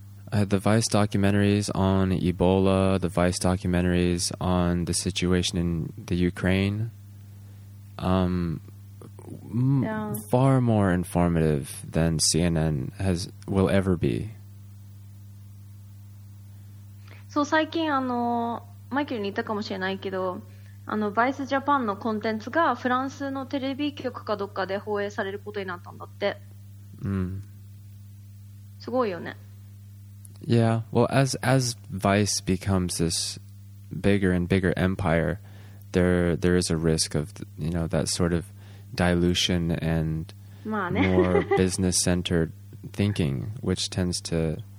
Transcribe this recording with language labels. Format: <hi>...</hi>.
<en>I had the Vice documentaries on Ebola, the Vice documentaries on the situation in the Ukraine. Far more informative than CNN will ever be.</en> <ja>So, 最近、マイケルに言ったかもしれないけど、あの、バイスジャパンのコンテンツがフランスのテレビ局かどっかで放映されることになったんだって。うん。すごいよね。</ja> <en>Yeah, well, as Vice becomes this bigger and bigger empire, there is a risk of, you know, that sort of dilution and more business-centered thinking, which tends to...</en>